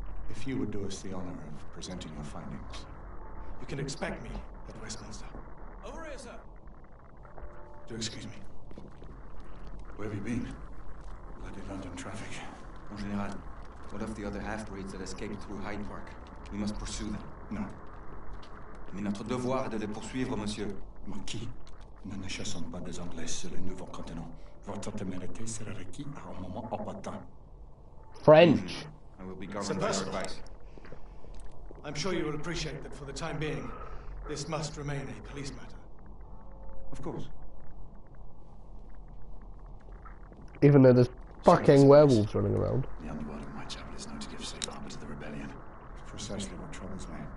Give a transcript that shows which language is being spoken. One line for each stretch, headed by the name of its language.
English: If you would do us the honor of presenting your findings. You can expect me at Westminster. Over here, sir. Do excuse me. Where have you been? Bloody London traffic. Oh, General, what of the other half-breeds that escaped through Hyde Park? We must pursue them. No.
French: Mais notre devoir est de les poursuivre, monsieur. Marquis, nous ne chassons pas des Anglais sur le nouveau continent. Votre témérité sera requis à un moment opportun.
English: French. I will be governed by your advice. I'm sure you will appreciate that for the time being, this must remain a police matter. Of course. Even though there's fucking werewolves running around. The underworld of my chapel is known to give safe harbor to the rebellion. It's precisely what troubles me.